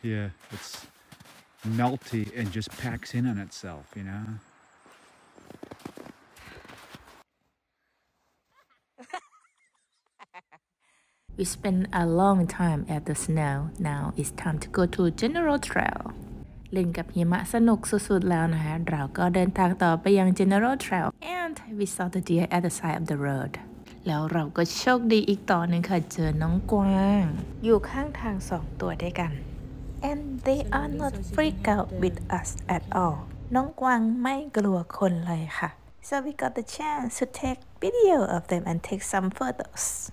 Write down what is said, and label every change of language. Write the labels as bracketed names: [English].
[English] Yeah It's melty and just packs in on itself You know We spent a long time at the snow. Now it's time to go to General Trail. [Thai] เล่นกับหิมะสนุกสุดๆแล้วนะคะเราก็เดินทางต่อไปยัง General Trail. [English] And we saw the deer at the side of the road. [Thai] แล้วเราก็โชคดีอีกต่อนึงค่ะเจอน้องกวางอยู่ข้างทาง2ตัวด้วยกัน [English] And they are not freak out with us at all. [Thai] น้องกวางไม่กลัวคนเลยค่ะ [English] So we got the chance to take video of them and take some photos.